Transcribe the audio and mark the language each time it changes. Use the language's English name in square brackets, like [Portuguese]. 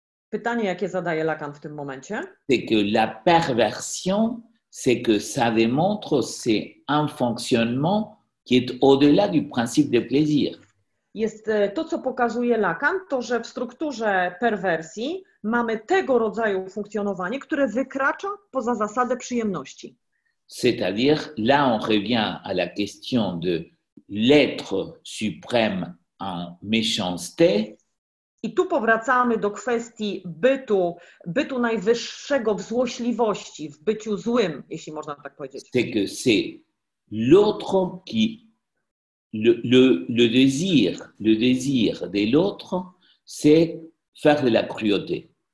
[Polish] Pytanie, jakie zadaje Lacan w tym momencie? [French] C'est que la perversion, c'est que ça démontre c'est un fonctionnement qui est au-delà du principe de plaisir. [Polish] Jest to, co pokazuje Lacan, to, że w strukturze perwersji mamy tego rodzaju funkcjonowanie, które wykracza poza zasadę przyjemności. [French] C'est-à-dire, là on revient à la question de l'être suprême en méchanceté. [Polish] I tu powracamy do kwestii bytu najwyższego w złośliwości, w byciu złym, jeśli można tak powiedzieć. [French] C'est que c'est l'autre qui le désir de l'autre, c'est faire de la cruauté.